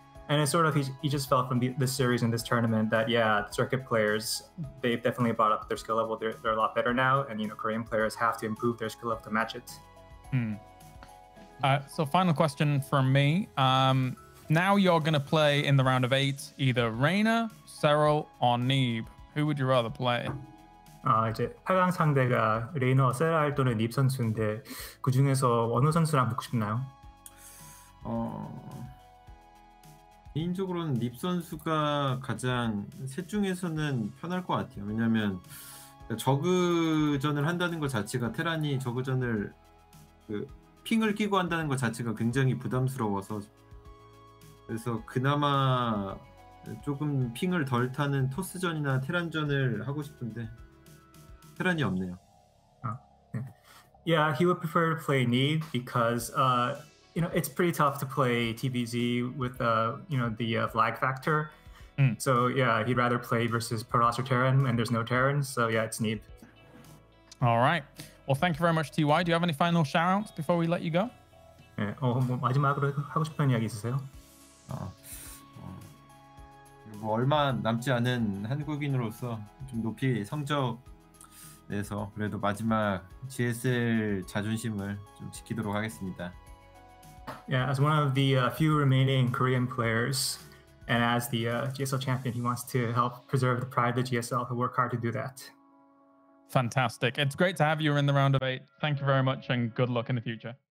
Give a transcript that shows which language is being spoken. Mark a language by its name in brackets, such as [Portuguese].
[English] And it's sort of, he just felt from this series and this tournament that, yeah, the circuit players, they've definitely brought up their skill level. They're a lot better now. And, you know, Korean players have to improve their skill level to match it. So final question from me. Now you're going to play in the round of eight, either Reyna, Serral, or Neeb. Who would you rather play? [Korean] 이제 8강 상대가 레이너, 세랄 또는 닙 선수인데 그 중에서 어느 선수랑 붙고 싶나요? 개인적으로는 닙 선수가 가장 셋 중에서는 편할 것 같아요. 왜냐하면 저그전을 한다는 것 자체가 테란이 저그전을 그 핑을 끼고 한다는 것 자체가 굉장히 부담스러워서 그래서 그나마 조금 핑을 덜 타는 토스전이나 테란전을 하고 싶은데 테란이 없네요. [English] Yeah, he would prefer to play Neeb because you know it's pretty tough to play TBZ with you know the lag factor. So yeah, he'd rather play versus Protoss or Terran, and there's no Terran, so yeah, it's Neeb. All right. Well, thank you very much, TY. Do you have any final shoutouts before we let you go? [Korean] 마지막으로 하고 싶은 이야기 있으세요? 뭐 얼마 남지 않은 한국인으로서 좀 높이 성적 그래서 그래도 마지막 GSL 자존심을 좀 지키도록 하겠습니다. [English] Yeah, as one of the few remaining Korean players and as the GSL champion, he wants to help preserve the pride of the GSL. He'll work hard to do that. Fantastic. It's great to have you in the round of eight. Thank you very much and good luck in the future.